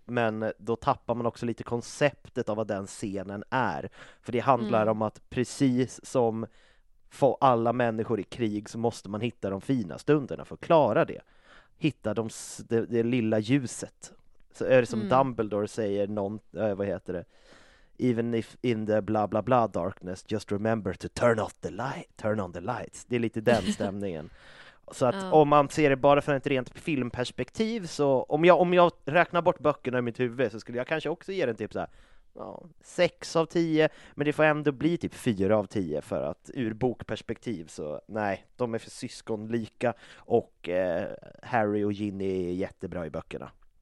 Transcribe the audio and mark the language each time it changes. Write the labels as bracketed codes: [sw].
[sv] Men då tappar man också lite konceptet av vad den scenen är. För det handlar om att precis som för alla människor i krig så måste man hitta de fina stunderna för att klara det. Hitta det lilla ljuset. Så är det som Dumbledore säger, vad heter det? [en] Even if in the blah blah blah darkness, just remember to turn on the lights. [sv] Det är lite den stämningen. Så att om man ser det bara från ett rent filmperspektiv, så om jag räknar bort böckerna i mitt huvud så skulle jag kanske också ge den typ så här, 6 av 10, men det får ändå bli typ 4 av 10 för att ur bokperspektiv så nej, de är för syskonlika och Harry och Ginny är jättebra i böckerna.